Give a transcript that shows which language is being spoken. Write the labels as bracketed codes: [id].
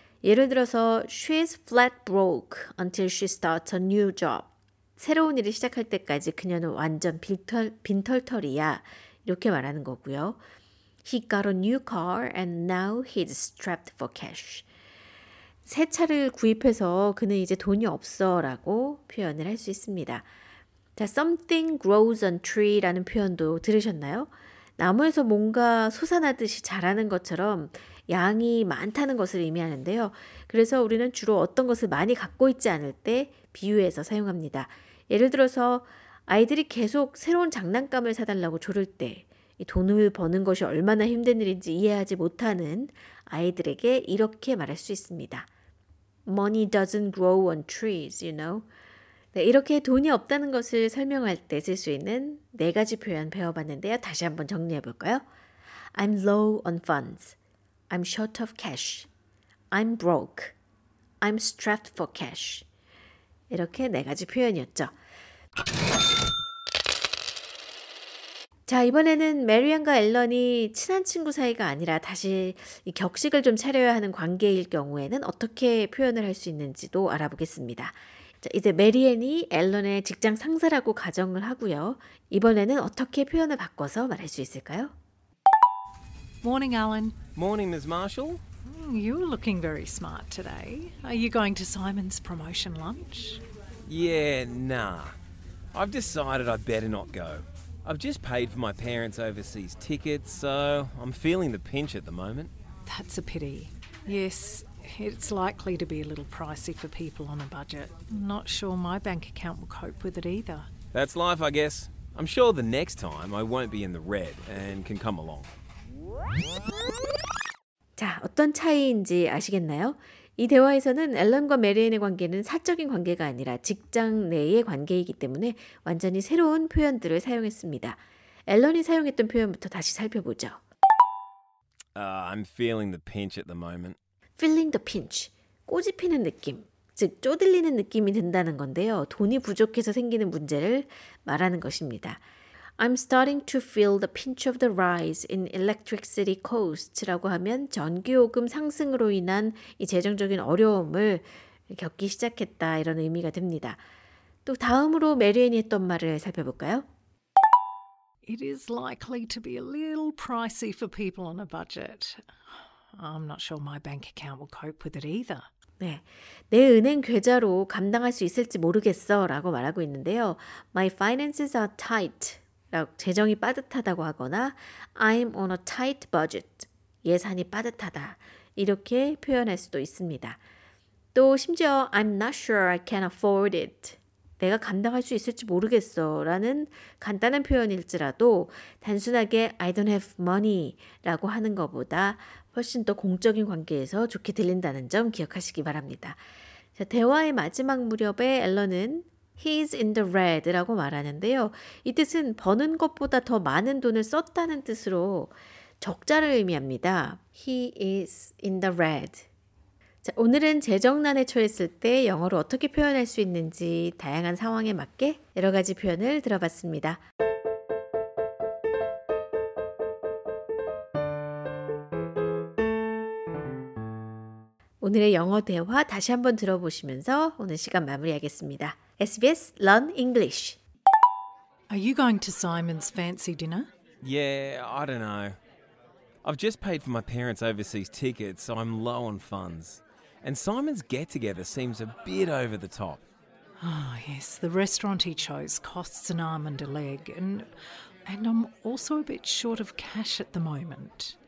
[ko] 예를 들어서 [en] she's flat broke until she starts a new job. [ko] 새로운 일을 시작할 때까지 그녀는 완전 빈털털이야. 이렇게 말하는 거고요. [en] He got a new car and now he's strapped for cash. [ko] 새 차를 구입해서 그는 이제 돈이 없어라고 표현을 할 수 있습니다. 자, [en] something grows on tree [ko] 라는 표현도 들으셨나요? 나무에서 뭔가 솟아나듯이 자라는 것처럼 양이 많다는 것을 의미하는데요. 그래서 우리는 주로 어떤 것을 많이 갖고 있지 않을 때 비유해서 사용합니다. 예를 들어서 아이들이 계속 새로운 장난감을 사달라고 조를 때 이 돈을 버는 것이 얼마나 힘든 일인지 이해하지 못하는 아이들에게 이렇게 말할 수 있습니다. [en] Money doesn't grow on trees, you know. [ko] 네, 이렇게 돈이 없다는 것을 설명할 때 쓸 수 있는 네 가지 표현 배워봤는데요. 다시 한번 정리해 볼까요? [en] I'm low on funds. I'm short of cash. I'm broke. I'm strapped for cash. [ko] 이렇게 네 가지 표현이었죠. 자, 이번에는 메리안과 앨런이 친한 친구 사이가 아니라 다시 이 격식을 좀 차려야 하는 관계일 경우에는 어떻게 표현을 할 수 있는지도 알아보겠습니다. 자, 이제 메리안이 앨런의 직장 상사라고 가정을 하고요. 이번에는 어떻게 표현을 바꿔서 말할 수 있을까요? [en] Morning, Alan. Morning, Ms. Marshall. You're looking very smart today. Are you going to Simon's promotion lunch? Yeah, nah. I've decided I'd better not go. I've just paid for my parents' overseas tickets, so I'm feeling the pinch at the moment. That's a pity. Yes, it's likely to be a little pricey for people on a budget. Not sure my bank account will cope with it either. That's life, I guess. I'm sure the next time I won't be in the red and can come along. [ko] 자, 어떤 차이인지 아시겠나요? 이 대화에서는 앨런과 메리앤의 관계는 사적인 관계가 아니라 직장 내의 관계이기 때문에 완전히 새로운 표현들을 사용했습니다. 앨런이 사용했던 표현부터 다시 살펴보죠. [en] I'm feeling the pinch at the moment. Feeling the pinch. [ko] 꼬집히는 느낌, 즉 쪼들리는 느낌이 든다는 건데요. 돈이 부족해서 생기는 문제를 말하는 것입니다. [en] I'm starting to feel the pinch of the rise in electricity costs라고 [ko] 하면 전기요금 상승으로 인한 이 재정적인 어려움을 겪기 시작했다 이런 의미가 됩니다. 또 다음으로 메리앤이 했던 말을 살펴볼까요? [en] It is likely to be a little pricey for people on a budget. I'm not sure my bank account will cope with it either. [ko] 네, 내 은행 계좌로 감당할 수 있을지 모르겠어 라고 말하고 있는데요. [en] My finances are tight. [ko] 재정이 빠듯하다고 하거나 [en] I'm on a tight budget. [ko] 예산이 빠듯하다. 이렇게 표현할 수도 있습니다. 또 심지어 [en] I'm not sure I can afford it. [ko] 내가 감당할 수 있을지 모르겠어 라는 간단한 표현일지라도 단순하게 [en] I don't have money [ko] 라고 하는 것보다 훨씬 더 공적인 관계에서 좋게 들린다는 점 기억하시기 바랍니다. 자, 대화의 마지막 무렵에 앨런은 [en] He's in the red [ko] 라고 말하는데요. 이 뜻은 버는 것보다 더 많은 돈을 썼다는 뜻으로 적자를 의미합니다. [en] He is in the red. [ko] 자, 오늘은 재정난에 처했을 때 영어로 어떻게 표현할 수 있는지 다양한 상황에 맞게 여러 가지 표현을 들어봤습니다. 오늘의 영어 대화 다시 한번 들어보시면서 오늘 시간 마무리하겠습니다. [en] SBS Learn English. Are you going to Simon's fancy dinner? Yeah, I don't know. I've just paid for my parents' overseas tickets, so I'm low on funds. And Simon's get-together seems a bit over the top. Oh, yes, the restaurant he chose costs an arm and a leg, and I'm also a bit short of cash at the moment.